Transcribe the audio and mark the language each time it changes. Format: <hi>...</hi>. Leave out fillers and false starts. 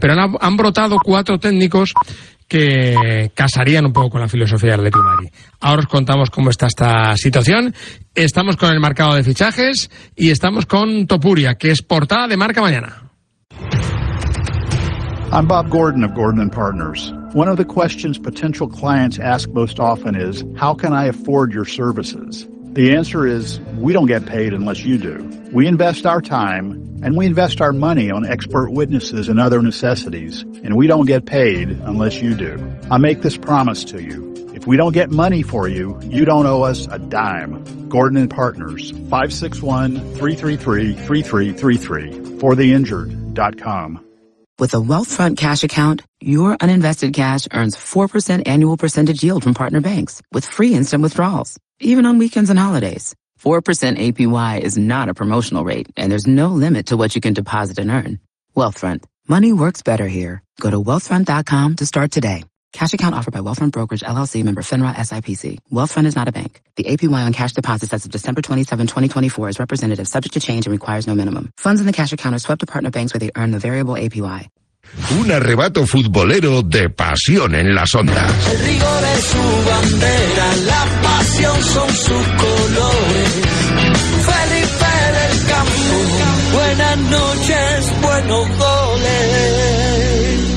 <es>Pero han brotado 4 técnicos que casarían un poco con la filosofía del Atlético de Madrid. Ahora os contamos cómo está esta situación. Estamos con el mercado de fichajes y estamos con Topuria, que es portada de Marca mañana.</es> <en>I'm Bob Gordon of Gordon & Partners. One of the questions potential clients ask most often is, how can I afford your services? The answer is, we don't get paid unless you do. We invest our time and we invest our money on expert witnesses and other necessities, and we don't get paid unless you do. I make this promise to you. If we don't get money for you, you don't owe us a dime. Gordon & Partners, 561-333-3333, fortheinjured.com. With a Wealthfront cash account, your uninvested cash earns 4% annual percentage yield from partner banks with free instant withdrawals, even on weekends and holidays. 4% APY is not a promotional rate, and there's no limit to what you can deposit and earn. Wealthfront, money works better here. Go to Wealthfront.com to start today. Cash account offered by Wealthfront Brokerage, LLC, member FINRA, SIPC. Wealthfront is not a bank. The APY on cash deposits as of December 27, 2024 is representative, subject to change and requires no minimum. Funds in the cash account are swept to partner banks where they earn the variable APY.</en> <es>Un arrebato futbolero de pasión en las ondas. El rigor es su bandera, la pasión son sus colores. Felipe del Campo, buenas noches, buenos goles.</es>